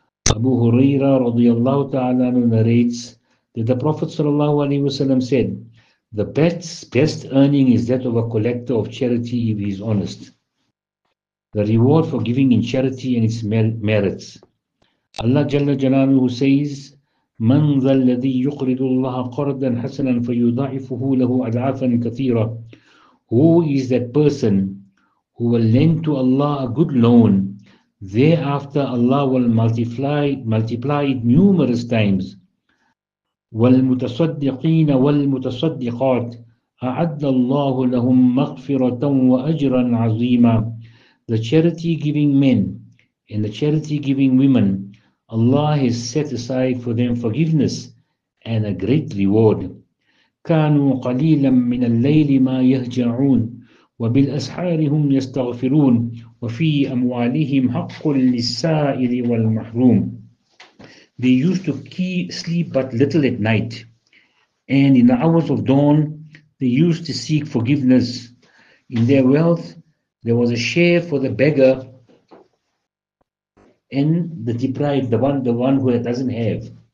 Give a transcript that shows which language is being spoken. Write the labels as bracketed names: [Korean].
[English] Abu Huraira radiallahu ta'ala narrates that the Prophet sallallahu alayhi wa sallam said, the best earning is that of a collector of charity if he is honest. The reward for giving in charity and its merits. [Arabic] Allah Jalla Jalaluhu says, من ذا الذي يقرض الله قرضا حسنا فيضاعفه له أضعافا كثيرة. [English] Who is that person who will lend to Allah a good loan, thereafter Allah will multiply it numerous times. [Arabic] والمتصدقين والمتصدقات أعد الله لهم مغفرة وأجرا عظيما. [English] The charity giving men and the charity giving women, Allah has set aside for them forgiveness and a great reward. [Arabic] كانوا قليلا من الليل ما يهجعون وبالأسحار هم يستغفرون وفي أموالهم حق للسائل والمحروم. [English] They used to sleep but little at night, and in the hours of dawn they used to seek forgiveness. In their wealth there was a share for the beggar and the deprived, the one who doesn't have.